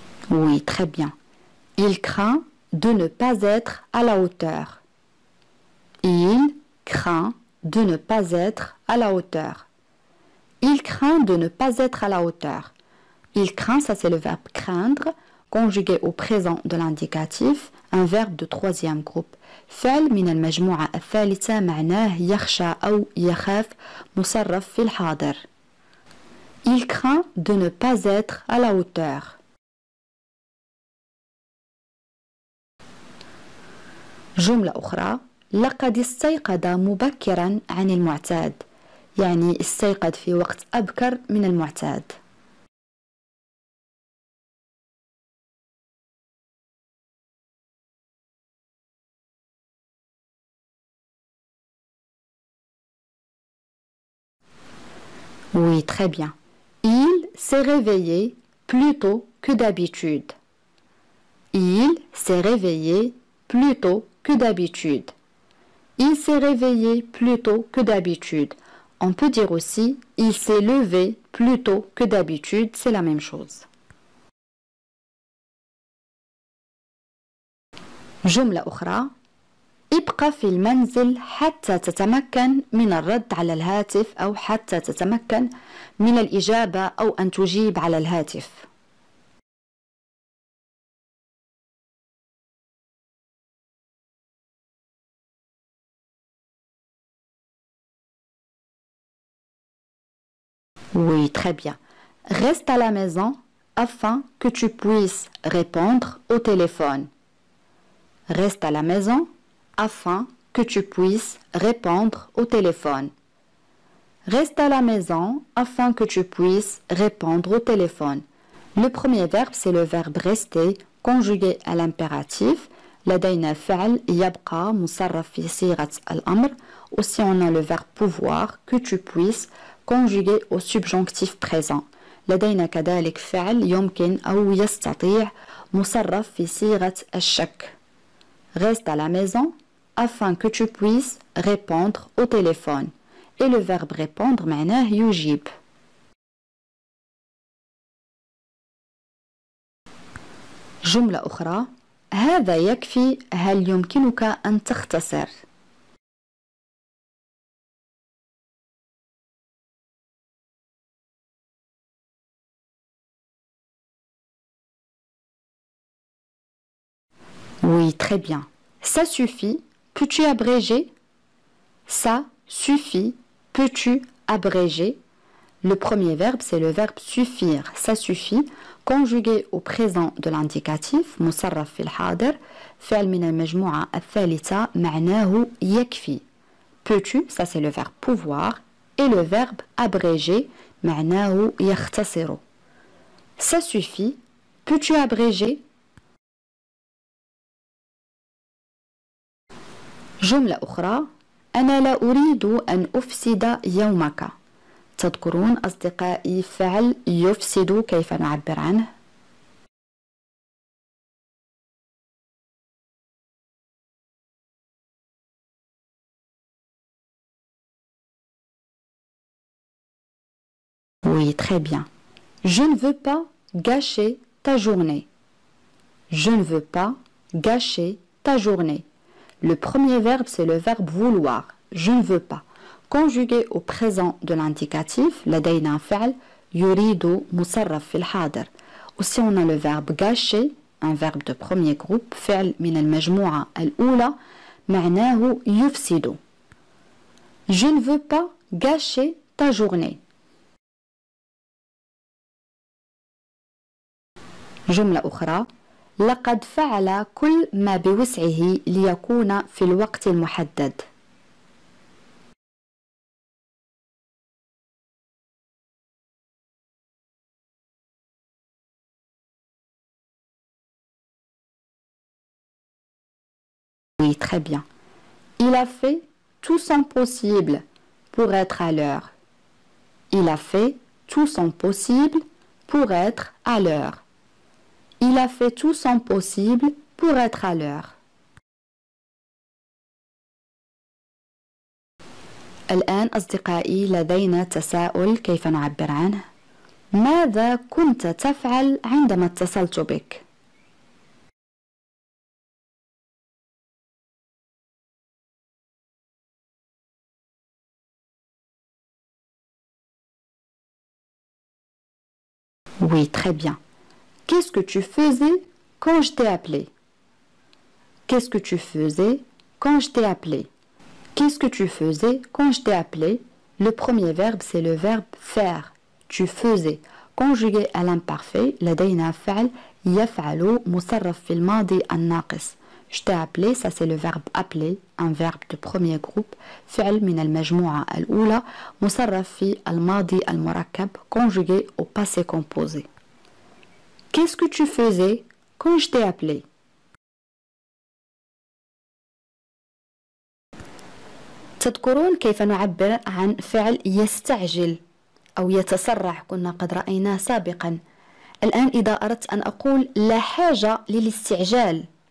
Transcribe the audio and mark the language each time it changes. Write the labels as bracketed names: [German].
[French] Oui, très bien. Il craint de ne pas être à la hauteur. Il craint de ne pas être à la hauteur. Il craint de ne pas être à la hauteur. Il craint, ça c'est le verbe craindre, conjugué au présent de l'indicatif, un verbe de troisième groupe. [Arabic] فعل من المجموعة الثالثة معناه يخشى أو يخاف مصرف في الحاضر. [French] Il craint de ne pas être à la hauteur. [Arabic] جملة أخرى لقد استيقظ مبكرا عن المعتاد يعني استيقظ في وقت أبكر من المعتاد [French] Oui, très bien. Il s'est réveillé plus tôt que d'habitude. Il s'est réveillé plus tôt que d'habitude. Il s'est réveillé plus tôt que d'habitude. On peut dire aussi, il s'est levé plus tôt que d'habitude. C'est la même chose. [Arabic] جملة أخرى، ابقى في المنزل حتى تتمكن من الرد على الهاتف أو حتى تتمكن من الإجابة أو أن تجيب على الهاتف. [French] Oui, très bien. Reste à la maison afin que tu puisses répondre au téléphone. Reste à la maison afin que tu puisses répondre au téléphone. Reste à la maison afin que tu puisses répondre au téléphone. Le premier verbe, c'est le verbe rester, conjugué à l'impératif. [Arabic] لدينا فعل يبقى مصرف في صيغة الأمر. [French] Aussi, on a le verbe pouvoir, que tu puisses, conjugué au subjonctif présent. [Arabic] لدينا كذلك فعل يمكن أو يستطيع مصرف في صيغة الشك. [French] Reste à la maison afin que tu puisses répondre au téléphone. Et le verbe répondre [Arabic] معناه يجيب. جملة أخرى. هذا يكفي. هل يمكنك أن تختصر؟ [French] Oui, très bien. Ça suffit. Peux-tu abréger? Ça suffit. Peux-tu abréger? Le premier verbe, c'est le verbe suffire. Ça suffit. Conjugué au présent de l'indicatif, [Arabic] مصرف في الحاضر, فعل من المجموعة الثالثة, معناه يكفي. [French] Peux-tu, ça c'est le verbe pouvoir. Et le verbe abréger, [Arabic] معناه يختصر. [French] Ça suffit. Peux-tu abréger? [Arabic] جملة أخرى. أنا لا أريد أن أفسد يومك. تذكرون أصدقائي فعل يفسد كيف نعبر عنه؟ [French] Oui, très bien. Je ne veux pas gâcher ta journée. Je ne veux pas gâcher ta journée. Le premier verbe, c'est le verbe vouloir. Je ne veux pas. Conjugué au présent de l'indicatif, [Arabic] لدينا فعل يريدو مصرف في الحاضر. [French] Aussi, on a le verbe gâcher, un verbe de premier groupe, [Arabic] فعل من المجموعة الأولى, معناه يفسدو. [French] Je ne veux pas gâcher ta journée. [Arabic] جملة أخرى. لقد فعل كل ما بوسعه ليكون في الوقت المحدد. [French] Oui, très bien. Il a fait tout son possible pour être à l'heure. Il a fait tout son possible pour être à l'heure. Il a fait tout son possible pour être à l'heure. [Arabic] الآن أصدقائي لدينا تساؤل كيف نعبر عنه. ماذا كنت تفعل عندما اتصلت بك؟ [French] Oui, très bien. Qu'est-ce que tu faisais quand je t'ai appelé? Qu'est-ce que tu faisais quand je t'ai appelé? Qu'est-ce que tu faisais quand je t'ai appelé? Le premier verbe, c'est le verbe faire. Tu faisais. Conjugué à l'imparfait, [Arabic] لدينا فعل يفعل مصرف في الماضي الناقص. [French] Je t'ai appelé, ça c'est le verbe appeler, un verbe de premier groupe. [Arabic] فعل من المجموعة الأولى, مصرف في الماضي المركب, [French] conjugué au passé composé. Qu'est-ce que tu faisais quand je t'ai appelé? [Arabic] تذكرون كيف نعبر عن فعل يستعجل أو يتسرع كنا قد رأيناه سابقا. الآن إذا أردت أن أقول لا حاجة للاستعجال.